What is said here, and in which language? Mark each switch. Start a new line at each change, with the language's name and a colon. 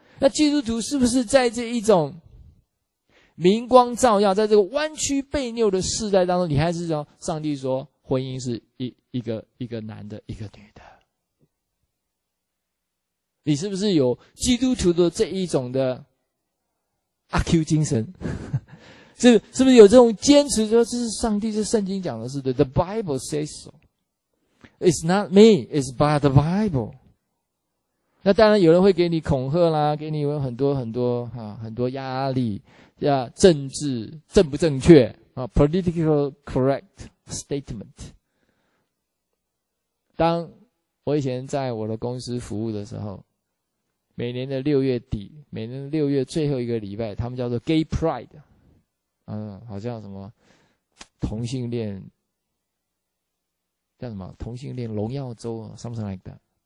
Chinese: 那基督徒是不是在这一种明光照耀，在这个弯曲悖谬的世代当中，你还是说上帝说婚姻是一个男的，一个女的？你是不是有基督徒的这一种的阿 Q 精神？是不是有这种坚持，说这是上帝，是圣经讲的是对 ，
English: The Bible says so。 It's not me, it's by the Bible。
Chinese: 那当然有人会给你恐吓啦，给你有很多很多、啊、很多压力、啊、政治正不正确、啊、
English: political correct statement。
Chinese: 当我以前在我的公司服务的时候，每年的六月底，每年的六月最后一个礼拜，他们叫做 gay pride、啊、好像什么同性恋叫什么同性恋荣耀周
English: something like that。